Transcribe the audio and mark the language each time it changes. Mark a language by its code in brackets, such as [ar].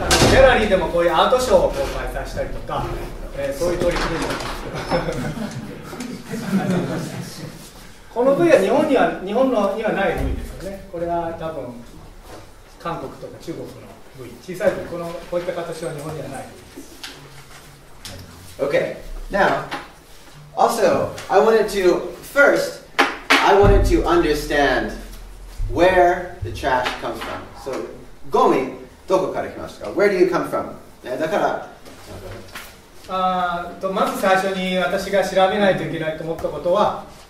[ja] ギャラリーでもこういうアートショーを公開させたりとか、そういう取り組みもあります。この部位は日本にはない部位ですよね。これは多分韓国とか中国の部位。小さい部位、こういった形は日本にはない部位です。 [en] Okay, now, also, I wanted to understand where the trash comes from. [ja] So, ゴミ、どこから来ましたか? [en] Where do you come from? [ja] だから、まず最初に私が調べないといけないと思ったことは、